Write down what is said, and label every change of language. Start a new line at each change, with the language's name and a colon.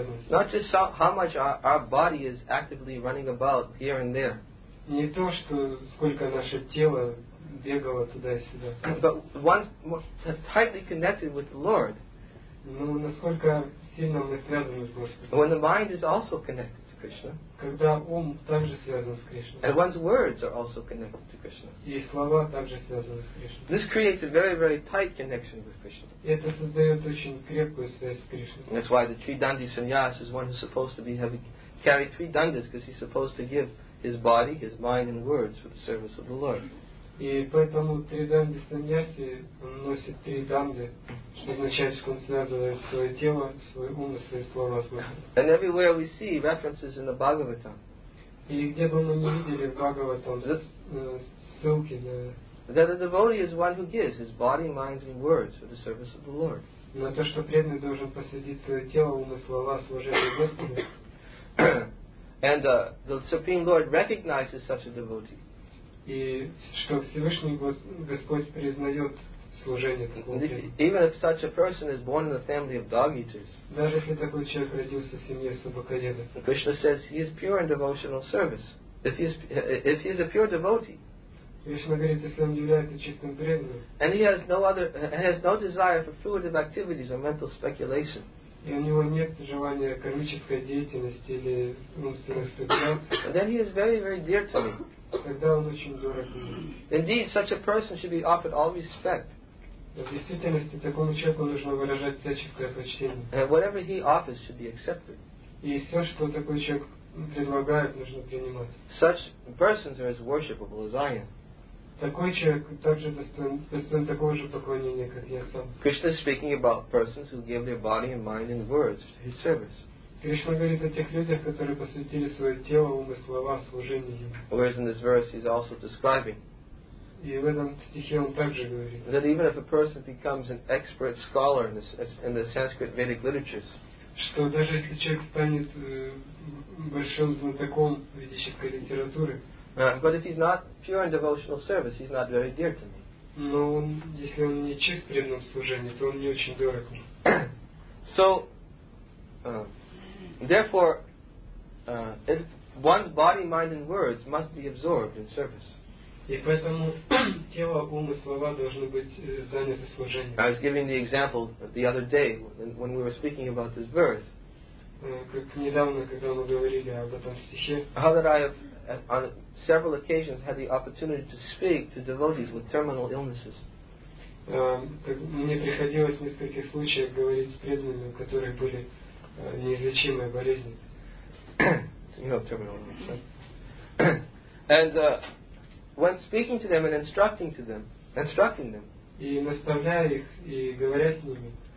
English: Not just how much our body is actively running about here and there. But once more tightly connected with the Lord, when the mind is also connected,
Russian: когда ум также связан с Кришной.
English: And one's words are also connected to Krishna.
Russian: И слова также связаны с Кришной.
English: This creates a very, very tight connection with Krishna.
Russian: И это создает очень крепкую связь с Кришной.
English: That's why the three dandi sannyas is one who's supposed to be having carry three dandas, because he's supposed to give his body, his mind, and words for the service of the Lord.
Russian: И поэтому три данди саньяси носит три данди, что означает, что он связывает свое тело, свой ум и свои слова с Богом.
English: And everywhere we see references in the Bhagavatam.
Russian: И где бы мы ни видели в Бхагаватам ссылки на...
English: That a devotee is one who gives his body, mind, and words for the service of the Lord.
Russian: на то, что преданный должен посвятить свое тело, умы, слова, служение Господу.
English: And the Supreme Lord recognizes such a devotee.
Russian: И что Всевышний Господь признает служение такого преданного.
English: Even if such a person is born in the family of dog eaters.
Russian: Даже если такой человек родился в семье собакоедов.
English: Krishna says he is pure in devotional service. If he is a pure devotee.
Russian: Кришна говорит, если он является чистым преданным.
English: And he has no desire for fruitive activities or mental speculation.
Russian: И у него нет желания кармической деятельности или умственных спекуляций.
English: Then he is very, very dear to me.
Russian: Тогда он очень дорог мне.
English: Indeed, such a person should be offered all respect.
Russian: В действительности, такому человеку нужно выражать всяческое почтение.
English: And whatever he offers should be accepted.
Russian: И все, что такой человек предлагает, нужно принимать.
English: Such persons are as worshipable as I am.
Russian: Такой человек также достоин такого же поклонения, как я сам.
English: Krishna is speaking about persons who give their body and mind and words to his service.
Russian: Кришна говорит о тех людях, которые посвятили свое тело, ум и слова служению ему.
English: Whereas in this verse he's also describing.
Russian: И в этом стихе он также говорит.
English: That even if a person becomes an expert scholar in the Sanskrit Vedic literatures.
Russian: Что даже если человек станет большим знатоком ведической литературы.
English: But if he's not pure in devotional service, he's not very dear to me.
Russian: Но если он не чист в преданном служении, то он не очень дорог мне.
English: So, therefore, if one's body, mind, and words must be absorbed in service.
Russian: И поэтому тело, ум и слова должны быть заняты служением.
English: I was giving the example the other day when we were speaking about this verse.
Russian: Как недавно, когда мы говорили об этом стихе.
English: How that I have on several occasions had the opportunity to speak to devotees with terminal illnesses.
Russian: Мне приходилось в нескольких случаях говорить с преданными, у которых были неизлечимые болезни.
English: You know, terminal illness, right? And when speaking to them and instructing them,
Russian: и наставляя их, и говоря с ними,